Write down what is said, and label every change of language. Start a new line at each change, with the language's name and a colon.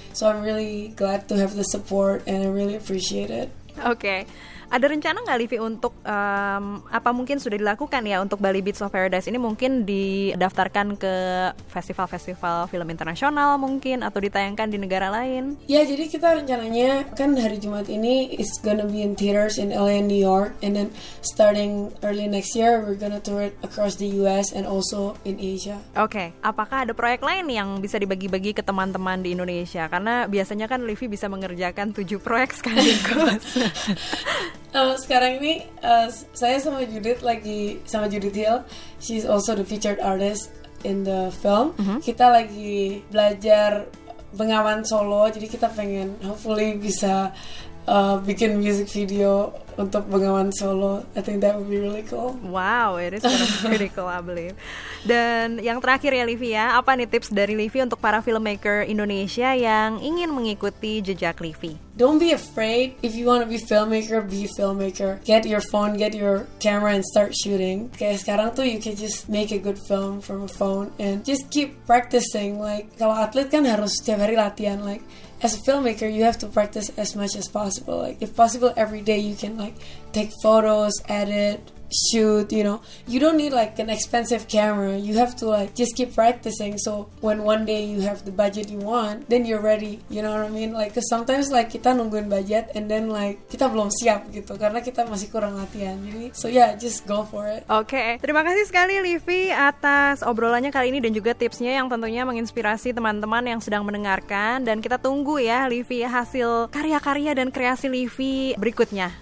English: So I'm really glad to have the support and I really appreciate it. Okay.
Indonesian: Ada rencana nggak Livi untuk apa mungkin sudah dilakukan ya untuk Bali Beats of Paradise ini, mungkin didaftarkan ke festival-festival film internasional mungkin, atau ditayangkan di negara lain? Ya, jadi kita rencananya kan hari Jumat ini
English: it's gonna be in theaters in LA and New York, and then starting early next year we're gonna tour it across the US and also in Asia. Okay.
Indonesian: Apakah ada proyek lain yang bisa dibagi-bagi ke teman-teman di Indonesia? Karena biasanya kan Livi bisa mengerjakan 7 proyek sekaligus. Sekarang ini saya sama Judith lagi, sama Judith Hill,
English: she's also the featured artist in the film.
Indonesian: Mm-hmm. Kita lagi belajar Bengawan solo, jadi kita pengen hopefully bisa bikin music video untuk Bengawan Solo.
English: I think that would be really cool. Wow, it is pretty cool, I believe.
Indonesian: Dan yang terakhir ya Livia, apa nih tips dari Livia untuk para filmmaker Indonesia yang ingin mengikuti jejak Livia?
English: Don't be afraid. If you want to be filmmaker, be filmmaker. Get your phone, get your camera and start shooting.
Indonesian: Kayak sekarang tuh
English: you can just make a good film from a phone and just keep practicing. Like
Indonesian: kalau atlet kan harus setiap hari latihan.
English: Like as a filmmaker, you have to practice as much as possible. Like if possible every day you can like take photos, edit, shoot, you know. You don't need like an expensive camera. You have to like just keep practicing so when one day you have the budget you want, then you're ready. You know what I mean? Like cause sometimes like
Indonesian: kita nungguin budget
English: and then like
Indonesian: kita belum siap gitu karena kita masih kurang latihan.
English: Jadi, so yeah, just go for it. Okay.
Indonesian: Terima kasih sekali Livy atas obrolannya kali ini dan juga tipsnya yang tentunya menginspirasi teman-teman yang sedang mendengarkan, dan kita tunggu ya Livy hasil karya-karya dan kreasi Livy berikutnya.